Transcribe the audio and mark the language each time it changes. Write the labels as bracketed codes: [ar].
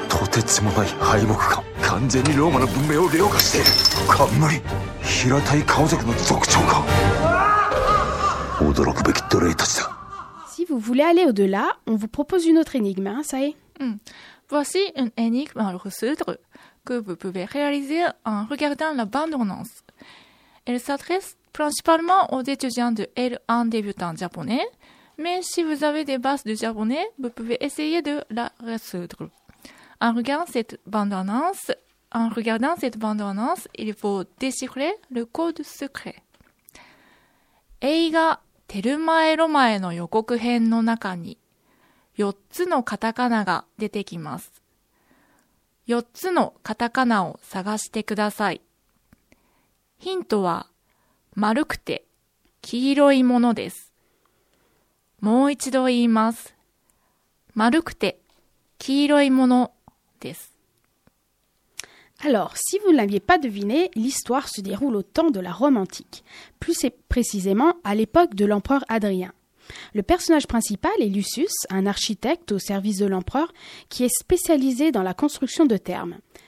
[ja] 何なんだここは。顔が平たい。外人さん、言わせるといけない。ここは奴隷用の公衆浴場か。こんな技を持った職人がいるなんて、この奴隷ぶり使えるぞ。これまでにないプロダクティーぞ。素晴らしい思いつきだ。ベーネ、メデイシェ、とてつもない敗北感。完全にローマの文明を凌駕している。冠平たい顔族の族長か。驚くべき奴隷たちだ。 [fr] Si vous voulez aller au-delà, on vous propose une autre énigme, hein, ça y est. Voici une énigme à résoudre que vous pouvez réaliser en regardant la bande-annonce. Elle s'adresse principalement aux étudiants de L1 débutants japonais, mais si vous avez des bases de japonais, vous pouvez essayer de la résoudre. En regardant cette bande-annonce, il faut déchiffrer le code secret. [ja] Eiga Telma Eromae no yokokuhen no naka ni 4つの katakana が出てきます。 4つの katakana を探してください。ヒントは丸くて黄色いものです。もう一度言います。丸くて黄色いものです。 [fr] Alors, si vous ne l'aviez pas deviné, l'histoire se déroule au temps de la Rome antique, plus précisément à l'époque de l'empereur Hadrien. Le personnage principal est Lucius, un architecte au service de l'empereur qui est spécialisé dans la construction de thermes.